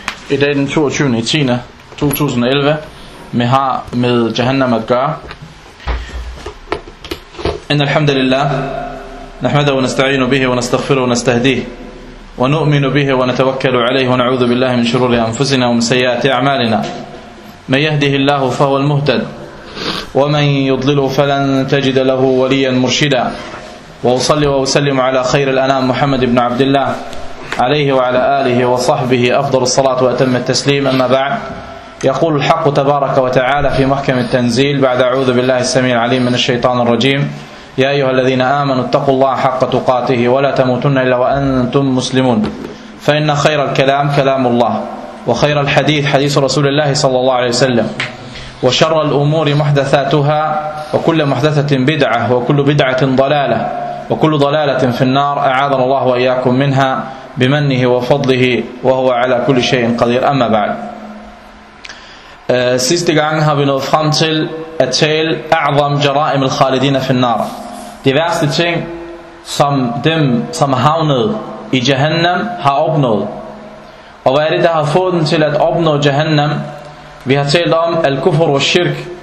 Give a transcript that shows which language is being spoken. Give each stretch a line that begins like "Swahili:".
Danish: I dag den 22.10.2011 vi har med Jahannam at gøre.
Arabic: إن الحمد لله نحمده ونستعين به ونستغفره ونستهديه ونؤمن به ونتوكل عليه ونعوذ بالله من شرور أنفسنا ومن سيئات أعمالنا. من يهده الله فهو المهتد ومن يضلله فلن تجد له وليا مرشدا. وأصلي وأسلم على خير الأنام محمد بن عبد الله عليه وعلى آله وصحبه أفضل الصلاة وأتم التسليم. أما بعد، يقول الحق تبارك وتعالى في محكم التنزيل بعد أعوذ بالله السميع العليم من الشيطان الرجيم: يا أيها الذين آمنوا اتقوا الله حق تقاته ولا تموتن إلا وأنتم مسلمون. فإن خير الكلام كلام الله، وخير الحديث حديث رسول الله صلى الله عليه وسلم، وشر الأمور محدثاتها، وكل محدثة بدعة، وكل بدعة ضلالة، وكل ضلالة في النار، أعاذنا الله وإياكم منها بمنه وفضله وهو على كل شيء قدير. أما بعد،
Danish: sidste gang har vi nået frem til at tale
Arabic: أعظم جرائم الخالدين في النار.
Danish: De værste ting som dem som har havnet i Jahannam har opnået. Og hvad er det der har fået dem til at opnå Jahannam? Vi har talt om al-kufr og shirk.